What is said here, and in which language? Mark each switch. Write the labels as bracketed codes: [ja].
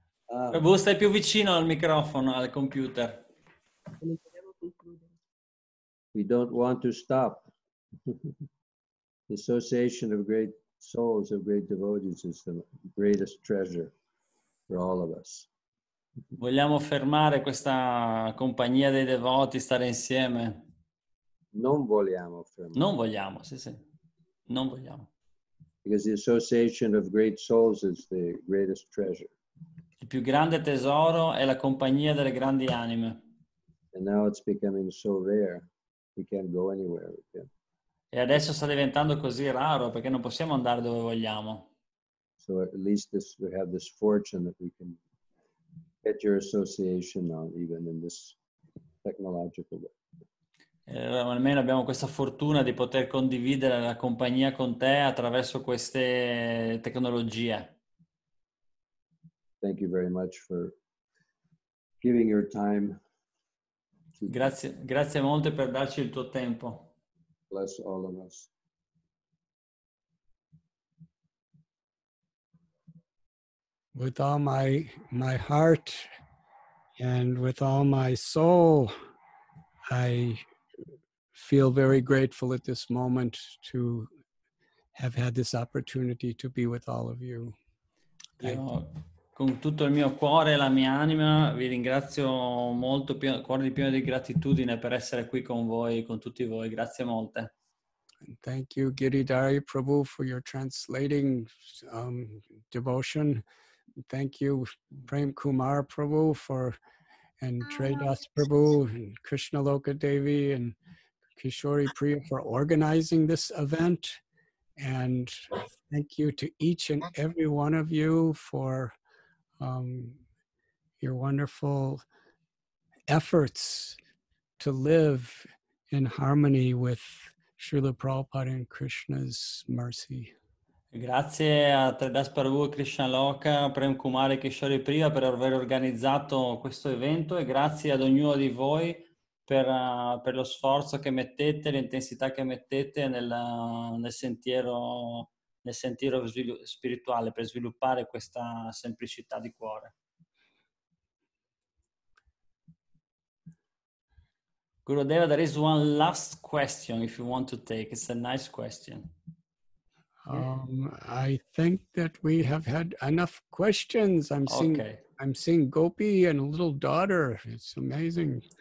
[it] Prabhu, stai più vicino al microfono, al computer. [en] We don't want to stop. The association of great souls, of great devotees, is the greatest treasure for all of us. [it] Vogliamo fermare questa compagnia dei devoti, stare insieme? Non vogliamo fermare. Non vogliamo, sì, sì. Non vogliamo. [en] Because the association of great souls is the greatest treasure. [it] Il più grande tesoro è la compagnia delle grandi anime. [en] And now it's becoming so rare, we can't go anywhere. [it] E adesso sta diventando così raro perché non possiamo andare dove vogliamo. [en] So at least this, we have this fortune that we can get your association now, even in this technological way. [it] Almeno abbiamo questa fortuna di poter condividere la compagnia con te attraverso queste tecnologie. [en] Thank you very much for giving your time. [it] Grazie molto per darci il tuo tempo. [en] Bless all of us. With all my heart and with all my soul, I feel very grateful at this moment to have had this opportunity to be with all of you. [it] Con tutto il mio cuore e la mia anima vi ringrazio molto, cuore di pieno di gratitudine per essere qui con voi, con tutti voi. Grazie molte. [en] And thank you, Giridhari Prabhu, for your translating devotion. Thank you, Prem Kumar Prabhu, for and Tridas Prabhu and Krishna Loka Devi and Kishori Priya for organizing this event. And thank you to each and every one of you for your wonderful efforts to live in harmony with Srila Prabhupada and Krishna's mercy. [it] Grazie a Tridas Prabhu, Krishna Loka, Prem Kumar e Kishori Priya per aver organizzato questo evento e grazie ad ognuno di voi per lo sforzo che mettete, l'intensità che mettete nel sentiero spirituale per sviluppare questa semplicità di cuore. [en] Gurudeva, there is one last question if you want to take. It's a nice question. I think that we have had enough questions. I'm seeing Gopi and a little daughter. It's amazing.